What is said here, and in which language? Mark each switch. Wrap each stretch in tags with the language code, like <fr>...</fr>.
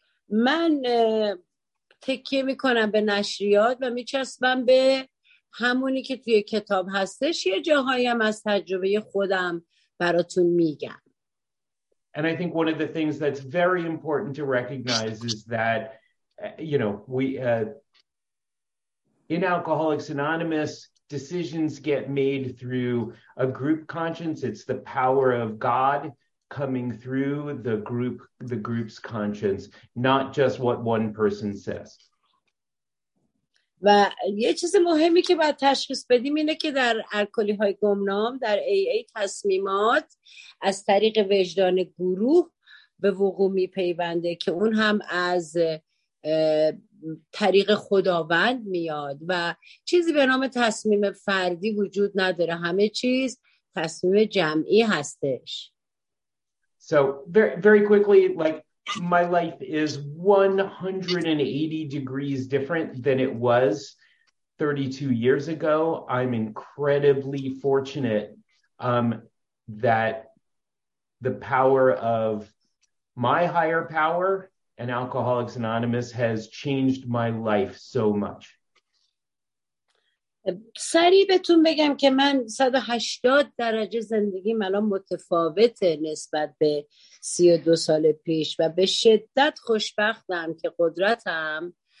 <fa>من تکیه میکنم به نشریات و میچسبم به همونی که توی کتاب هستش، یه جاهایی هم از تجربه خودم براتون میگم.</fa> <en>And I think one of the things that's very important to recognize is that, you know, we in Alcoholics Anonymous, decisions get made through a group conscience. It's the power of God coming through the group's conscience, not just what one person says.</en> <fa>و یه چیز مهمی که باید تشخیص بدیم اینه که در الکلی های گمنام، در AA، تصمیمات از طریق وجدان گروه به وقوع می پیونده که اون هم از طریق خداوند میاد و چیزی به نام تصمیم فردی وجود نداره، همه چیز تصمیم جمعی هستش.</fa> <en>So very quickly, like, my life is 180 degrees different than it was 32 years ago. I'm incredibly fortunate that the power of my higher power and Alcoholics Anonymous has changed my life so much.</en> <fa>سریع بهتون بگم که من 180 درجه زندگیم الان متفاوته نسبت به 32 سال پیش و به شدت خوشبختم که قدرتم.</fa>